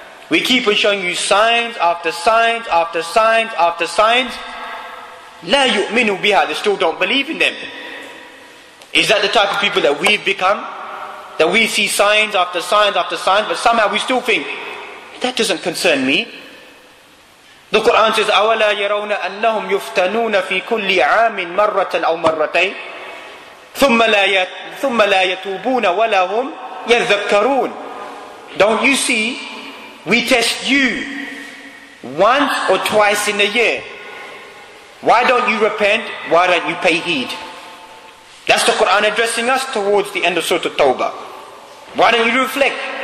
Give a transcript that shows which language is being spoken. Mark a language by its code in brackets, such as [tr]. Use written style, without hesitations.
[en] We keep on showing you signs after signs after signs after signs. [ar] لَا يُؤْمِنُوا بِهَا. [en] They still don't believe in them. Is that the type of people that we've become? That we see signs after signs after signs, but somehow we still think, that doesn't concern me. The Quran says, [ar] أَوَلَا يَرَوْنَ أَنَّهُمْ يُفْتَنُونَ فِي كُلِّ عَامٍ مَرَّةً أَوْ مَرَّتَيْنَ ثُمَّ لَا يَتُوبُونَ وَلَا هُمْ يَذَّكَّرُونَ. [en] Don't you see, we test you once or twice in a year. Why don't you repent? Why don't you pay heed? That's the Quran addressing us towards the end of Surah At-Tawbah. Why don't you reflect?